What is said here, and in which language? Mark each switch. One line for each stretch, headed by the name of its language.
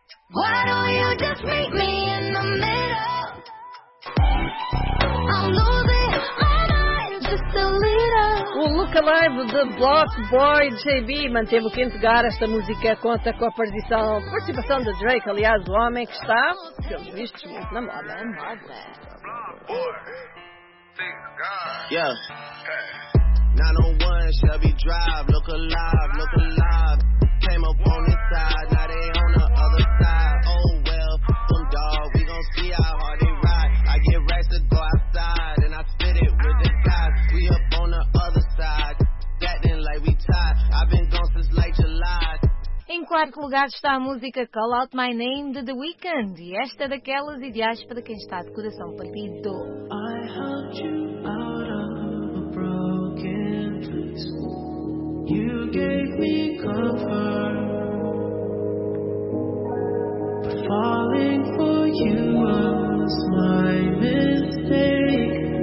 English: Why don't you just meet me in the middle? I'm losing my mind just a little.
Portuguese: O look-alive de Block Boy JB manteve o quinto lugar. Esta música conta com a participação de Drake, aliás, o homem que está, pelos vistos, muito na moda.
English: Block Boy, thank God. Yeah. 901 Chevy Drive, look alive, look alive. Came up on this side, now they on the other side. Oh well, fuck them dog, we gon' see how hard they ride. I get racks to go outside, and I spit it with the guys. We up on the other side, acting like we tied. I've been gone since late July.
Portuguese: Em quarto lugar está a música Call Out My Name de The Weeknd. E esta é daquelas ideais para quem está de coração partido.
English: I helped you out of a broken place. You gave me comfort, but falling for you was my mistake.